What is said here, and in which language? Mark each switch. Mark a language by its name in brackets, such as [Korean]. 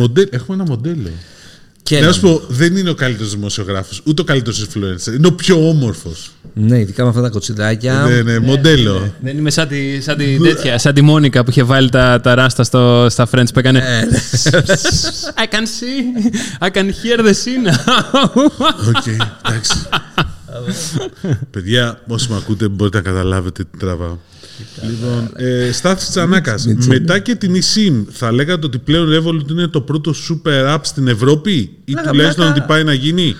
[Greek] Έχουμε ένα μοντέλο. Και να σου πω, δεν είναι ο καλύτερος δημοσιογράφος, ούτε ο καλύτερος influencer. Είναι ο πιο όμορφος. Ναι, ειδικά με αυτά τα κοτσιδάκια. Ναι, μοντέλο. Δεν είμαι σαν τη τέτοια, σαν τη Μόνικα που είχε βάλει τα ράστα στα Friends που έκανε. [English] I can see. I can hear the scene. [Greek] Okay, εντάξει. Παιδιά, όσοι με ακούτε, μπορείτε να καταλάβετε τι τραβάω. Λοιπόν, Στάθης Τσανάκας, μετά και την eSIM, θα λέγατε ότι πλέον Revolut είναι το πρώτο super app στην Ευρώπη ή τουλάχιστον ότι πάει να γίνει.